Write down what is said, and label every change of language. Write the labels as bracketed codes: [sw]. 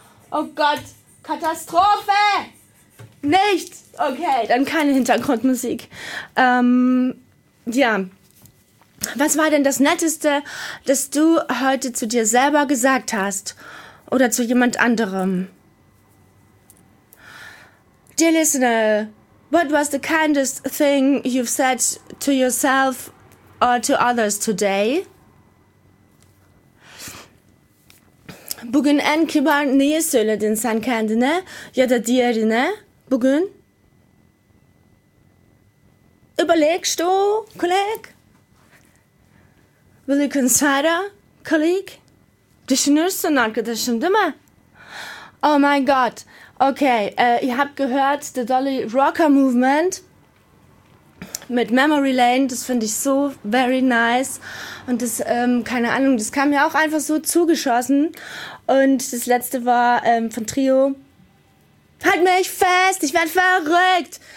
[de] Oh Gott, Katastrophe! Nicht! Okay, dann keine Hintergrundmusik. Ja. Was war denn das Netteste, das du heute zu dir selber gesagt hast? Oder zu jemand anderem? [en] Dear Listener, what was the kindest thing you've said to yourself or to others today? [tr] Bugün en kibar neyi söyledin sen kendine ya da diğerine bugün? [de] Überlegst du, Kolleg? [en] Will you consider, Kolleg? [tr] Düşünürsün arkadaşım, değil mi? [en] Oh my God. [de] Okay, ihr habt gehört, The Dolly Rocker Movement mit Memory Lane, das finde ich so [en] very nice. [de] Und das, keine Ahnung, das kam mir auch einfach so zugeschossen. Und das letzte war von Trio. Halt mich fest, ich werde verrückt.